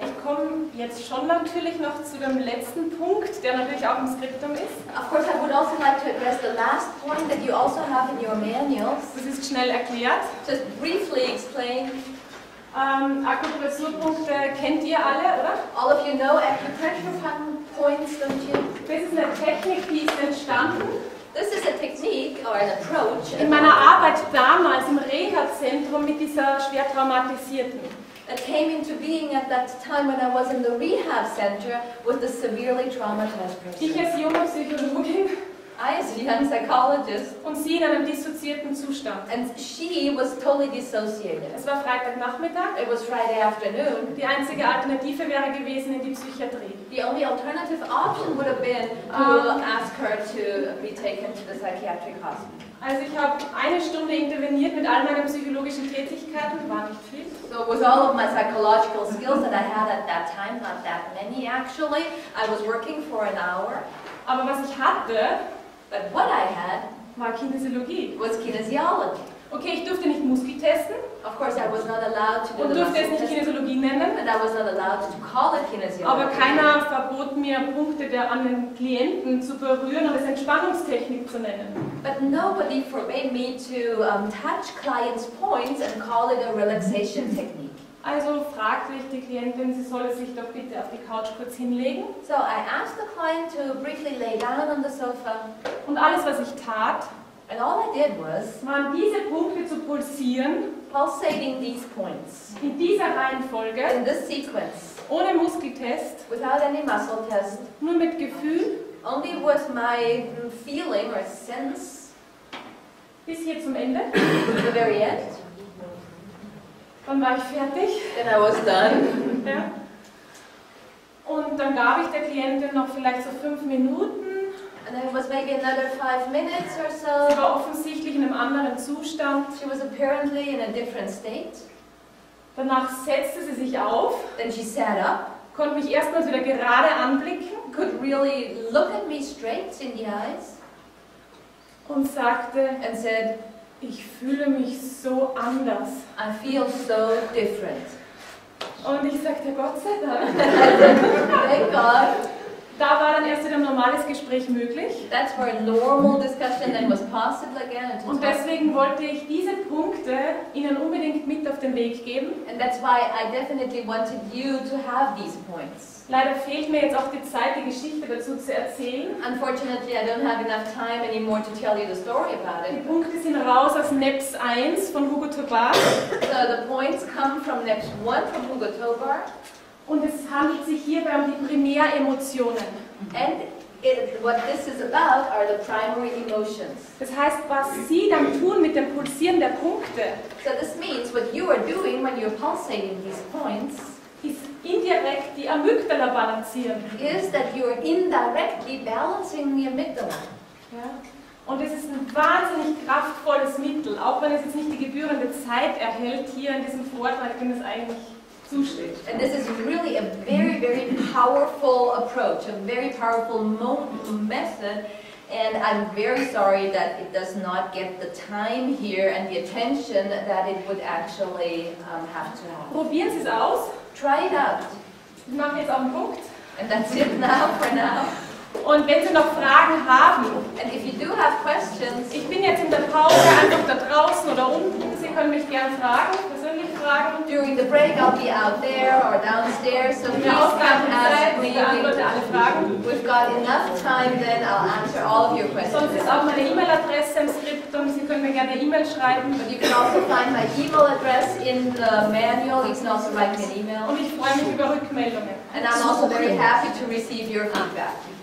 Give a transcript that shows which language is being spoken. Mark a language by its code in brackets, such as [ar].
[de] ich komme jetzt schon natürlich noch zu dem letzten Punkt, der natürlich auch im Skriptum ist. [en] Of course, I would also like to address the last point that you also have in your manuals. [de] Das ist schnell erklärt. [en] Just briefly explain. [de] Akupressurpunkte kennt ihr alle, oder? [en] All of you know acupressure points, don't you? [de] Das ist eine Technik, die ist entstanden. [en] This is a technique or an approach. [de] In meiner Arbeit damals im Reha-Zentrum mit dieser schwer traumatisierten. [en] It came into being at that time when I was in the rehab center with the severely traumatized person. [de] Ich als junge Psychologin. [en] I as a young psychologist. [de] Und sie in einem dissoziierten Zustand. [en] And she was totally dissociated. [de] Es war Freitagnachmittag. [en] It was Friday afternoon. [de] Die einzige Alternative wäre gewesen, in die Psychiatrie. [en] The only alternative option would have been to ask her to be taken to the psychiatric hospital. [de] Also ich habe eine Stunde interveniert mit all meinen psychologischen Tätigkeiten, war nicht viel. [en] So with all of my psychological skills that I had at that time, not that many actually, I was working for an hour. [de] Aber was ich hatte, [en] but what I had, [de] war Kinesiologie. [en] Was Kinesiology. [de] Okay, ich durfte nicht Muskel testen. [en] Of course, I was not allowed to do [de] und durfte es nicht Kinesiologie nennen. [en] And I was not allowed to call it Kinesiology. [de] Aber keiner verbot mir, Punkte der an den Klienten zu berühren und es Entspannungstechnik zu nennen. [en] But nobody forbade me to touch clients' points and call it a relaxation technique. [de] Also fragte ich die Klientin, sie solle sich doch bitte auf die Couch kurz hinlegen. [en] So I asked the client to briefly lay down on the sofa. [de] Und alles, was ich tat, [en] and all I did was, [de] waren diese Punkte zu pulsieren, [en] pulsating these points, [de] in dieser Reihenfolge, [en] in this sequence, [de] ohne Muskeltest, [en] without any muscle test, [de] nur mit Gefühl, [en] only with my feeling or sense, [de] bis hier zum Ende, [en] to the very end. [de] Dann war ich fertig. [en] Then I was done. [de] Ja. Und dann gab ich der Klientin noch vielleicht so 5 Minuten. [en] And then it was maybe another 5 minutes or so. [de] Sie war offensichtlich in einem anderen Zustand. [en] She was apparently in a different state. [de] Danach setzte sie sich auf. [en] Then she sat up. [de] Konnte mich erstmals wieder gerade anblicken. [en] Could really look at me straight in the eyes. [de] Und sagte. [en] And said, [de] ich fühle mich so anders. [en] I feel so different. [de] Und ich sagte, Gott sei Dank. [en] Thank God. [de] Da war dann erst wieder ein normales Gespräch möglich. [en] That's where a normal discussion then was possible again. [de] Und deswegen wollte ich diese Punkte Ihnen unbedingt mit auf den Weg geben. [en] And that's why I definitely wanted you to have these points. [de] Leider fehlt mir jetzt auch die Zeit, die Geschichte dazu zu erzählen. [en] Unfortunately, I don't have enough time anymore to tell you the story about it. [de] Die Punkte sind raus aus NEPS 1 von Hugo Tobar. [en] So the points come from NEPS 1 from Hugo Tobar. [de] Und es handelt sich hierbei um die Primäremotionen. [en] And what this is about are the primary emotions. [de] Das heißt, was Sie dann tun mit dem Pulsieren der Punkte. [en] So this means what you are doing when you're pulsating these points. [de] Ist indirekt die Amygdala balancieren. [en] Is that you are indirectly balancing the amygdala. [de] Ja. Und es ist ein wahnsinnig kraftvolles Mittel, auch wenn es jetzt nicht die gebührende Zeit erhält hier in diesem Vortrag, dem es eigentlich zusteht. [en] And this is really a very, very powerful approach, a very powerful method. And I'm very sorry that it does not get the time here and the attention that it would actually have to have. [de] Probieren Sie es aus. [en] Try it out. [de] Ich mache jetzt auch einen Punkt. [en] And that's it now for now. [de] Und wenn Sie noch Fragen haben, [en] and if you do have questions, [de] ich bin jetzt in der Pause einfach da draußen oder unten. Sie können mich gerne fragen, persönlich fragen. [en] During the break, I'll be out there or downstairs. So please come ask me. We've got enough time, then I'll answer all of your questions. [de] Sonst ist auch meine E-Mail-Adresse im Skriptum. Sie können mir gerne E-Mail schreiben. [en] But you can also find my E-Mail address in the manual. You can also write me an E-Mail. [de] Und ich freue mich über Rückmeldungen. [en] And I'm also very happy to receive your feedback.